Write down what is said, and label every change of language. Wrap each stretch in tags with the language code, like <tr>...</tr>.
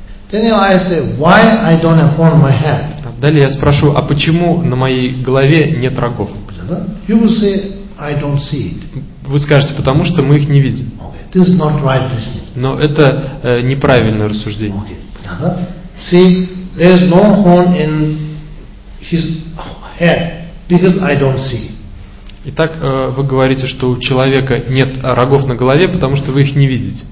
<en>Then I say, why I don't have horn on my head?</en> <ru>Далее я спрошу, а почему на моей голове нет рогов?</ru> <en>You will say, I don't see it.</en> <ru>Вы скажете, потому что мы их не видим.</ru> <en>Okay. This is not right reasoning.</en> <ru>Но это неправильное рассуждение.</ru> <en>Okay. See, there's no horn in his head because I don't see.</en> <ru>Итак, вы говорите, что у человека нет рогов на голове, потому что вы их не видите.</ru>